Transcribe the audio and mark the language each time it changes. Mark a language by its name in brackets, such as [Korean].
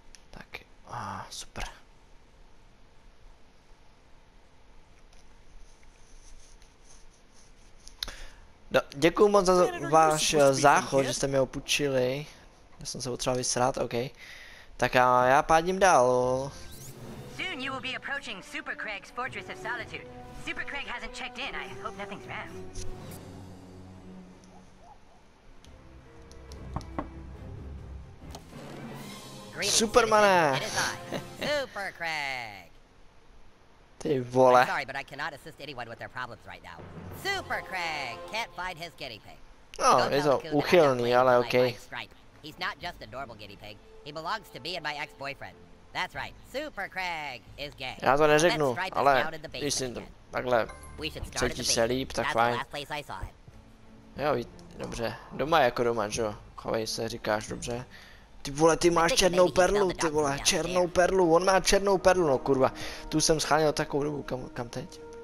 [Czech] Tak, super. Děkuju moc za váš záchod, že jste mi ho půjčili. Já jsem se potřeboval vysrat, ok. Tak a já pádím dál. [English] Soon you will be approaching Super Craig's Fortress of Solitude. Super Craig hasn't checked in, I hope nothing's wrong. Supermane! Super Craig! [Czech] Ty vole. [English] I'm sorry, but I cannot assist anyone with their problems right now. Super Craig can't find his guinea pig. No, he's a [Czech] uchylný, ale [English] okay. He's not just a normal guinea pig. He belongs to me and my ex-boyfriend. That's right, Super Craig is gay. [Czech] Já to neřeknu, ale když si to takhle cítíš se líp, tak fajn. Jo, dobře, doma je jako doma, že? Chovej se, říkáš, dobře. Ty vole, ty máš černou perlu, ty vole, černou perlu, on má černou perlu, no kurva. Tu jsem schánil takovou dobu, kam teď?